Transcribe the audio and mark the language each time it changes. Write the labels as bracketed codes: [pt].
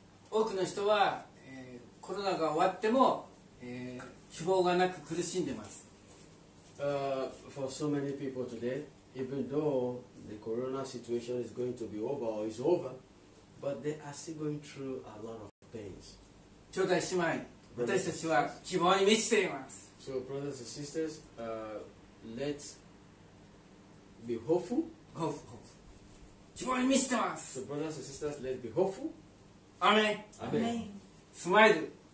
[ja] 多くの人は、コロナが終わっても、希望がなく苦しんでます。 [en] For so many people today, even though the corona situation is going to be over or is over, but they are still going through a lot of pains. [ja] 兄弟姉妹、私たちは希望に満ちています。 [en] So brothers and sisters, let's be hopeful. Hopeful. [ja] 希望に満ちてます。 [en] So brothers and sisters, let's be hopeful. [ja] アメン。アメン。スマイル。